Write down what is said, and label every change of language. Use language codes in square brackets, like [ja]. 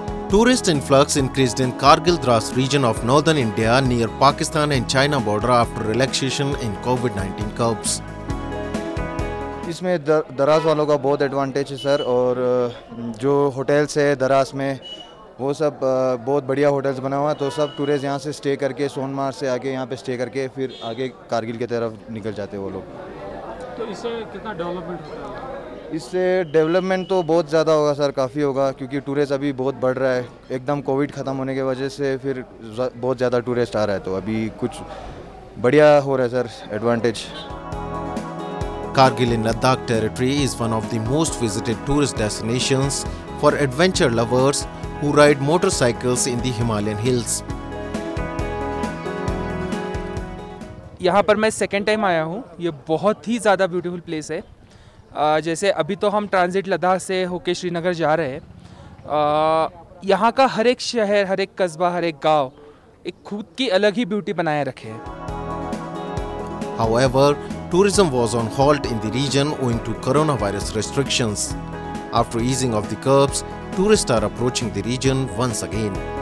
[en] Tourist influx increased in Kargil Dras region of northern India near Pakistan and China border after relaxation in COVID-19 curbs. [hi] इसमें दराज वालों का बहुत advantage है sir और जो होटल्स है दराज में वो सब बहुत बढ़िया होटल्स बना हुआ है तो सब टूरिस्ट यहां से स्टे करके सोनमार्ग से आके यहां पे स्टे करके फिर आगे कारगिल की तरफ निकल जाते हैं वो लोग तो इससे कितना डेवलपमेंट होगा इससे डेवलपमेंट तो बहुत ज़्यादा होगा सर काफ़ी होगा क्योंकि टूरिस्ट अभी बहुत बढ़ रहा है एकदम कोविड ख़त्म होने की वजह से फिर बहुत ज़्यादा टूरिस्ट आ रहा है तो अभी कुछ बढ़िया हो रहा है sir advantage [en] Kargil in Ladakh territory is one of the most visited tourist destinations for adventure lovers who ride motorcycles in the Himalayan hills. [hi] यहाँ पर मैं [en] second time [hi] आया हूँ ये बहुत ही ज़्यादा [en] beautiful place [hi] है जैसे अभी तो हम transit Ladakh से होके श्रीनगर जा रहे हैं यहाँ का हर एक शहर हर एक कस्बा हर एक गांव एक खुद की अलग ही beauty बनाए रखे हैं [en] However, tourism was on halt in the region owing to coronavirus restrictions. After easing of the curbs, tourists are approaching the region once again.